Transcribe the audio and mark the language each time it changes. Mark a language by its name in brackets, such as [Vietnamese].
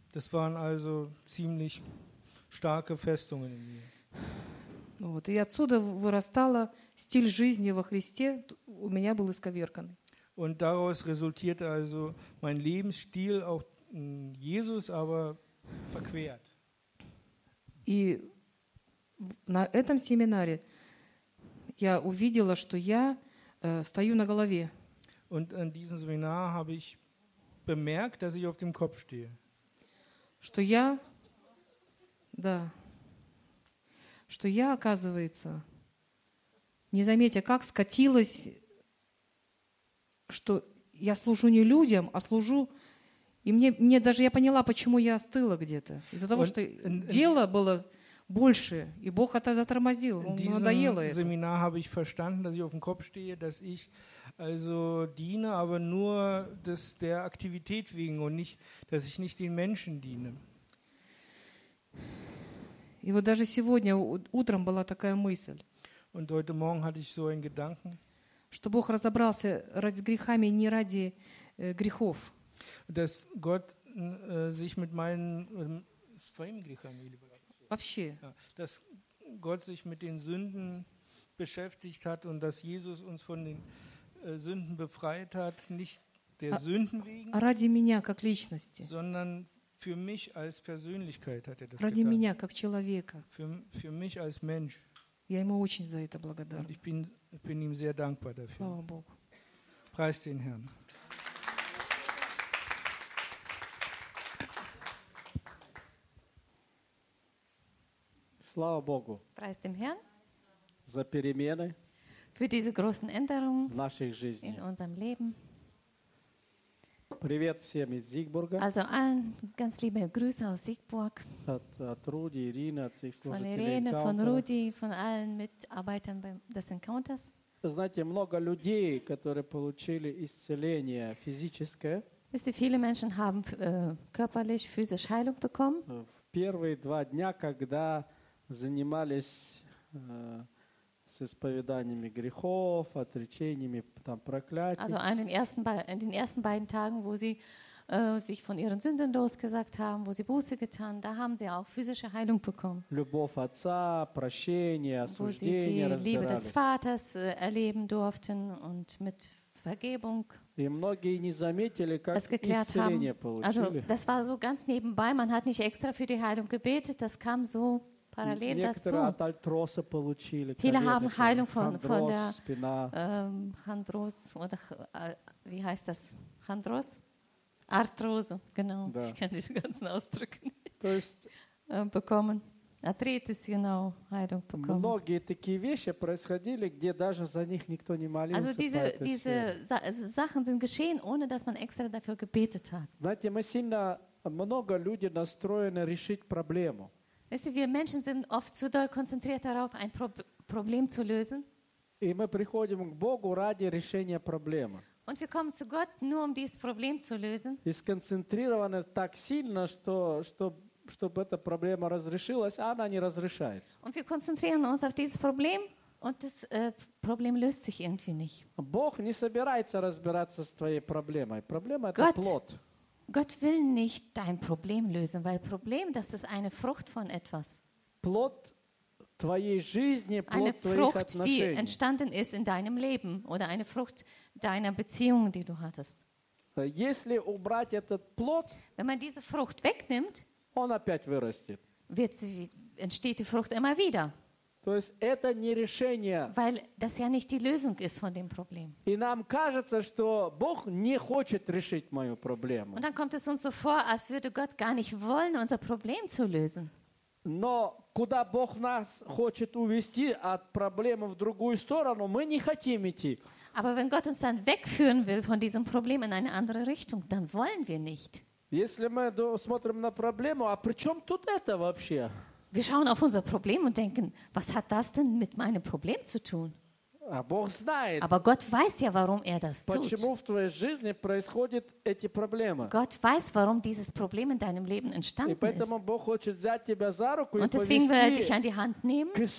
[German] Das waren also ziemlich starke Festungen in mir. [Russian] Вот, и отсюда вырастала стиль жизни во Христе, у меня был исковерканный. [German] Und daraus resultierte also mein Lebensstil auch in Jesus, aber verquert. [Russian] И на этом семинаре я увидела, что я стою на голове. [German] Und in diesem Seminar habe ich bemerkt, dass ich auf dem Kopf stehe. [Russian] Что я, да, что я, оказывается, не заметя, как скатилась, что я служу не людям, а служу, и мне даже я поняла, почему я остыла где-то. Из-за того, что дело было больше, и Бог это затормозил, надоело это. [German] In diesem Seminar habe ich verstanden, dass ich auf dem Kopf stehe, dass ich also diene, aber nur das, der Aktivität wegen und nicht, dass ich nicht den Menschen diene. [Russian] И вот даже сегодня утром была такая мысль. [German] Und heute Morgen hatte ich so einen Gedanken. [Russian] Что Бог разобрался с грехами не ради грехов. [German] Dass Gott sich mit meinen [Russian] с твоими грехами или вообще. [German] Dass Gott sich mit den Sünden beschäftigt hat und dass Jesus uns von den Sünden befreit hat, nicht der Sünden wegen. [Russian] А ради меня как личности. [German] Sondern für mich als Persönlichkeit hat er das [Russian] ради [German] getan. [Russian] Меня как человека. [German] Für mich als Mensch. [Russian] Я ему очень за это благодарна. [German] Ich bin, ihm sehr dankbar dafür. [Russian] Слава Богу. [German] Preis den Herrn. [Russian] Слава Богу. [German] Preis dem Herrn. [Russian] За перемены. [German] Für diese großen Änderungen. [Russian] В нашей жизни. [German] In unserem Leben. [Russian] Привет всем из Зигбурга. [German] Also allen ganz liebe Grüße aus Siegburg. [Russian] От Руди, Ирины, от всех служителей. [German] Von Irene, von Rudi, von allen Mitarbeitern des Encounters. [Russian] Знаете, много людей, которые получили исцеление физическое. [German] Wisst ihr, viele Menschen haben körperlich, physisch Heilung bekommen. [Russian] В первые два дня, когда занимались с исповеданиями грехов, отречениями, там, проклятиями. [German] Also in den ersten beiden Tagen, wo sie sich von ihren Sünden losgesagt haben, wo sie Buße getan, da haben sie auch physische Heilung bekommen. [Russian] Любовь отца, прощение, осуждение, [German] wo sie die Liebe des Vaters erleben durften und mit Vergebung. [Russian] И многие не заметили, как исцеление получили. [German] Also, das war so ganz nebenbei. Man hat nicht extra für die Heilung gebetet. Das kam so parallel dazu. [Russian] Некоторые от альтроса получили. [German] Viele haben Heilung von der Handros oder wie heißt das? Handros? Arthrose, genau. [Russian] Да. [German] Ich kann diese ganzen Ausdrücke nicht bekommen. Arthritis, genau, Heilung bekommen. [Russian] Многие такие вещи происходили, где даже за них никто не молился. [German] Also diese Sachen sind geschehen, ohne dass man extra dafür gebetet hat. [Russian] Знаете, мы сильно много люди настроены решить проблему. [German] Weißt du, wir Menschen sind oft zu doll konzentriert darauf, ein Problem zu lösen. [Russian] И мы приходим к Богу ради решения проблемы. [German] Und wir kommen zu Gott nur, um dieses Problem zu lösen. [Russian] И сконцентрированы так сильно, чтобы эта проблема разрешилась, а она не разрешается. [German] Und wir konzentrieren uns auf dieses Problem und das Problem löst sich irgendwie nicht. [Russian] Бог не собирается разбираться с твоей проблемой. Проблема это плод. [German] Gott will nicht dein Problem lösen, weil Problem, das ist eine Frucht von etwas. [Russian] Плод твоей жизни, плод твоих отношений. [German] Eine Frucht, die entstanden ist in deinem Leben oder eine Frucht deiner Beziehung, die du hattest. [Russian] Если убрать этот плод, [German] wenn man diese Frucht wegnimmt, [Russian] он опять вырастет. [German] Entsteht die Frucht immer wieder. [Russian] То есть это не решение. [German] Weil das ja nicht die Lösung ist von dem Problem. [Russian] И нам кажется, что Бог не хочет решить мою проблему. [German] Und dann kommt es uns so vor, als würde Gott gar nicht wollen, unser Problem zu lösen. [Russian] Но куда Бог нас хочет увести от проблемы в другую сторону, мы не хотим идти. [German] Aber wenn Gott uns dann wegführen will von diesem Problem in eine andere Richtung, dann wollen wir nicht. [Russian] Если мы смотрим на проблему, а при чем тут это вообще? [German] Wir schauen auf unser Problem und denken, was hat das denn mit meinem Problem zu tun? Aber Gott weiß ja, warum er das tut. Gott weiß, warum dieses Problem in deinem Leben entstanden ist. Und deswegen will er dich an die Hand nehmen